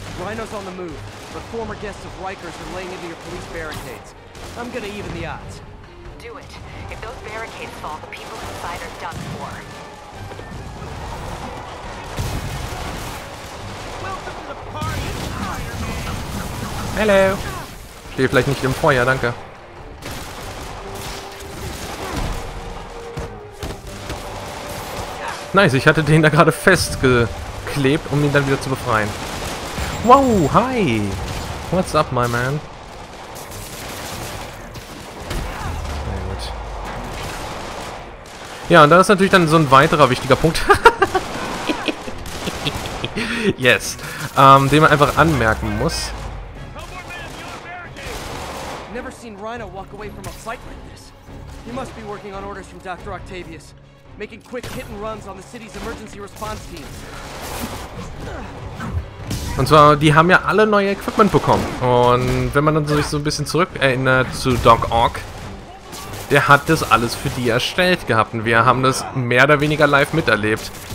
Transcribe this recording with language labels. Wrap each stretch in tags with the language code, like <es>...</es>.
<en>Rhino's on the move, but former guests of Rikers are laying into your police barricades. I'm gonna even the odds. Do it. If those barricades fall, the people inside are done for. Welcome to the party, Iron Man! Hello!</en> <de>Stehe vielleicht nicht im Feuer, danke. Nice, ich hatte den da gerade festgeklebt, um ihn dann wieder zu befreien.</de> <en>Wow, hi! What's up, my man?</en> <de>Sehr gut. Ja, und da ist natürlich dann so ein weiterer wichtiger Punkt.</de> <en>Yes.</en> <de>Den man einfach anmerken muss.</de> <en>Never seen Rhino walk away from a fight like this. He must be working on orders from Dr. Octavius. Making quick hit and runs on the city's emergency response teams.</en> <de>Und zwar, die haben ja alle neue Equipment bekommen. Und wenn man dann so sich so ein bisschen zurück erinnert zu Doc Ock, der hat das alles für die erstellt gehabt. Und wir haben das mehr oder weniger live miterlebt.</de>